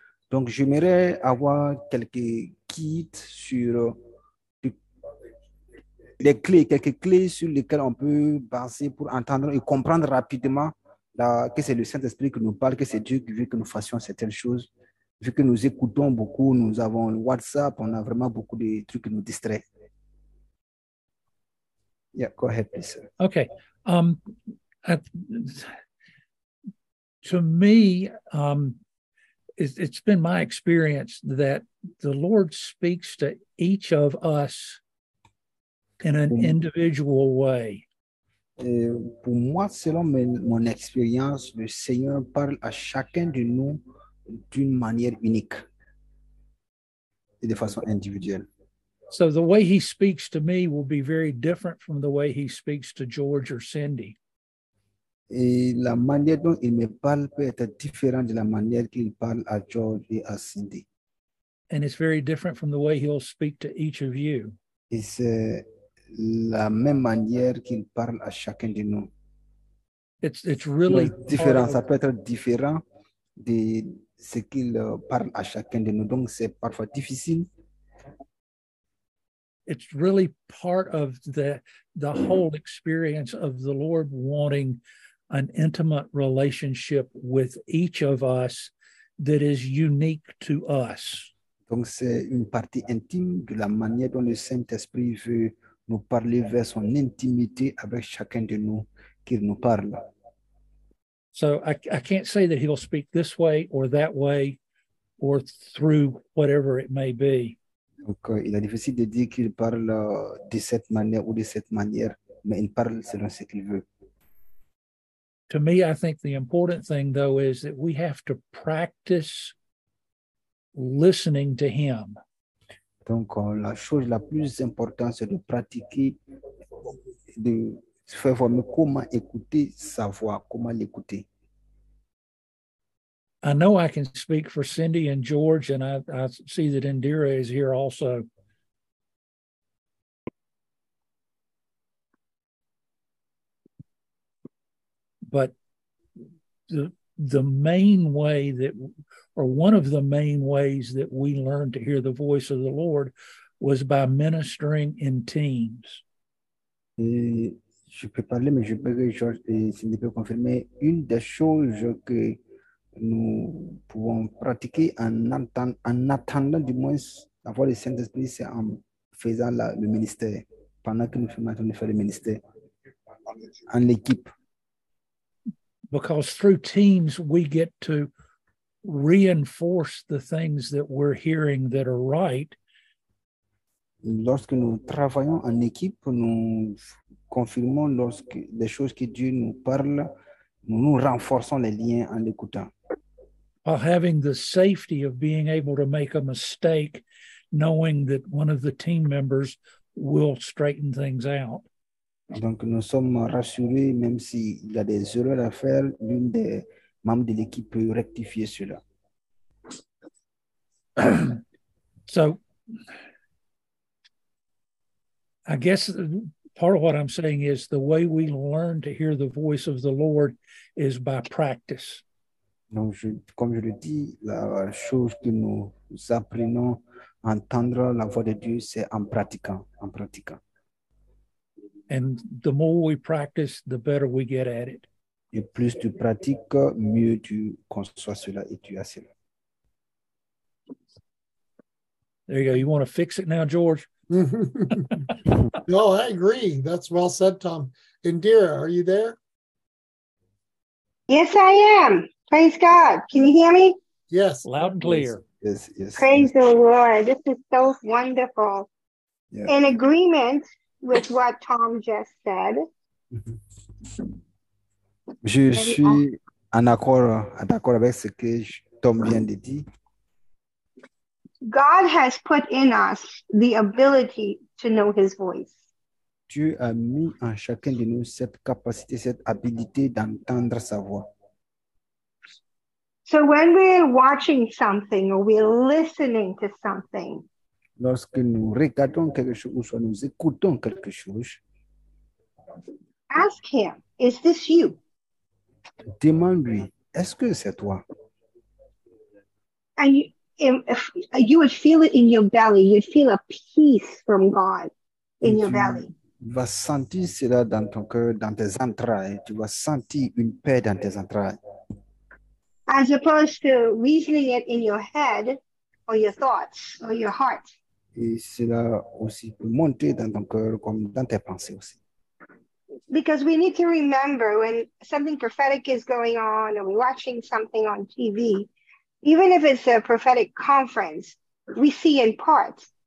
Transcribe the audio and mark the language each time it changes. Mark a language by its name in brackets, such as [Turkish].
[French] Donc, j'aimerais avoir quelques kits sur les clés, quelques clés sur lesquelles on peut baser pour entendre et comprendre rapidement là, que c'est le Saint-Esprit qui nous parle, que c'est Dieu qui veut que nous fassions certaines choses. Vu que nous écoutons beaucoup, nous avons le WhatsApp, on a vraiment beaucoup de trucs qui nous distraient. [English] Yeah, go ahead, please. Okay. To me, it's been my experience that the Lord speaks to each of us in an individual way. [French] Pour moi, selon mon expérience, le Seigneur parle à chacun de nous d'une manière unique et de façon individuelle. [English] So the way he speaks to me will be very different from the way he speaks to George or Cindy. [French] Et la manière dont il me parle peut être différente de la manière qu'il parle à George et à Cindy. [English] And it's very different from the way he'll speak to each of you. [French] Et c'est la même manière qu'il parle à chacun de nous. [English] It's really [French] différent. Ça peut être différent de ce qu'il parle à chacun de nous. Donc c'est parfois difficile. [English] It's really part of the whole experience of the Lord wanting an intimate relationship with each of us that is unique to us. [French] Donc c'est une partie intime de la manière dont le Saint-Esprit veut nous parler vers son intimité avec chacun de nous qu'il nous parle. [English] So I can't say that he'll speak this way or that way or through whatever it may be. [French] Donc, il est difficile de dire qu'il parle de cette manière ou de cette manière, mais il parle selon ce qu'il veut. [English] To me, I think the important thing, though, is that we have to practice listening to him. [French] Donc, la chose la plus importante, c'est de pratiquer, de faire voir comment écouter sa voix, comment l'écouter. [English] I know I can speak for Cindy and George, and I see that Indira is here also. But the main way that, or one of the main ways that we learned to hear the voice of the Lord was by ministering in teams. [French] Je peux parler, mais je peux que George et Cindy peuvent confirmer une des choses que nous pouvons pratiquer en attendant du moins la voix du Saint-Esprit, c'est en faisant le ministère, pendant que nous faisons le ministère en équipe. [English] Because through teams, we get to reinforce the things that we're hearing that are right. [French] Lorsque nous travaillons en équipe, nous confirmons les choses que Dieu nous parle, nous renforçons les liens en l'écoutant. [English] While having the safety of being able to make a mistake, knowing that one of the team members will straighten things out. [French] Donc nous sommes rassurés, même s'il y a des erreurs à faire, l'une des membres de l'équipe peut rectifier cela. [English] So, I guess part of what I'm saying is the way we learn to hear the voice of the Lord is by practice. [French] Donc, comme je le dis, la chose que nous apprenons à entendre la voix de Dieu, c'est en pratiquant. [English] And the more we practice, the better we get at it. [French] Et plus tu pratiques, mieux tu conçois cela et tu as cela. [English] There you go. You want to fix it now, George? No, I agree. That's well said, Tom. Indira, are you there? Yes, I am. Praise God. Can you hear me? Yes. Loud and clear. Yes. Praise the Lord. This is so wonderful. Yeah. In agreement with what Tom just said, [French] Je suis en accord, avec ce que Tom vient de dire. [English] God has put in us the ability to know his voice. [French] Dieu a mis en chacun de nous cette capacité, cette habilité d'entendre sa voix. [English] So when we're watching something or we're listening to something, [French] lorsque nous regardons quelque chose ou soit nous écoutons quelque chose, [English] ask him, is this you? [French] Demande-lui, est-ce que c'est toi? [English] And you would feel it in your belly. You'd feel a peace from God in your belly. [French] Tu vas sentir cela dans ton cœur, dans tes entrailles. Tu vas sentir une paix dans tes entrailles. [English] As opposed to reasoning it in your head or your thoughts or your heart. [French] Et cela aussi peut monter dans ton cœur comme dans tes pensées aussi. [English] Because we need to remember when something prophetic is going on or we're watching something on TV, even if it's a prophetic conference, we see in part.